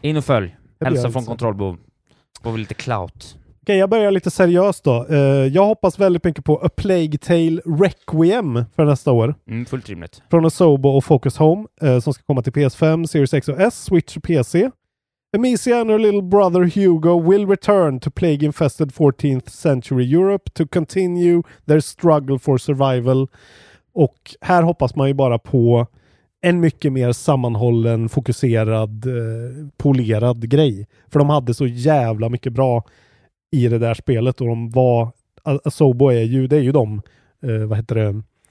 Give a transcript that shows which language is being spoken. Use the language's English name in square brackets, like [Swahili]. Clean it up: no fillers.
[Swedish] In och följ. Hälsa från kontrollbehov. Får vi lite clout. Okej, jag börjar lite seriöst då. Jag hoppas väldigt mycket på A Plague Tale Requiem för nästa år. Mm, fullt rimligt. Från Asobo och Focus Home som ska komma till PS5, Series X och S, Switch och PC. [English] Amicia and her little brother Hugo will return to plague-infested 14th century Europe to continue their struggle for survival. [Swedish] Och här hoppas man ju bara på en mycket mer sammanhållen, fokuserad, polerad grej. För de hade så jävla mycket bra i det där spelet. Och de var... Asobo är ju... Det är ju de... vad heter det?